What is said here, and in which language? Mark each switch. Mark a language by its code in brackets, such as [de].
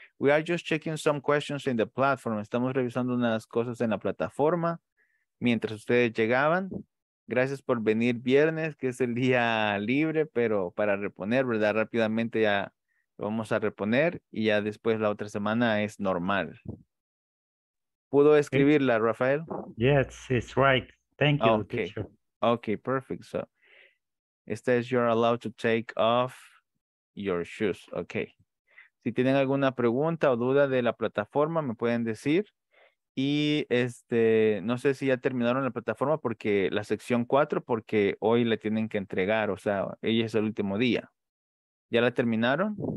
[en] We are just checking some questions in the platform. [es] Estamos revisando unas cosas en la plataforma mientras ustedes llegaban. Gracias por venir viernes, que es el día libre, pero para reponer, ¿verdad? Rápidamente ya lo vamos a reponer y ya después la otra semana es normal. ¿Pudo escribirla, Rafael? [en] Yes, it's right. Thank you, Okay. teacher. Okay, perfect. So, [es] esta es [en] you're allowed to take off your shoes. Okay. [es] Si tienen alguna pregunta o duda de la plataforma, me pueden decir. Y no sé si ya terminaron la plataforma porque la sección 4, porque hoy la tienen que entregar, o sea, hoy es el último día. ¿Ya la terminaron?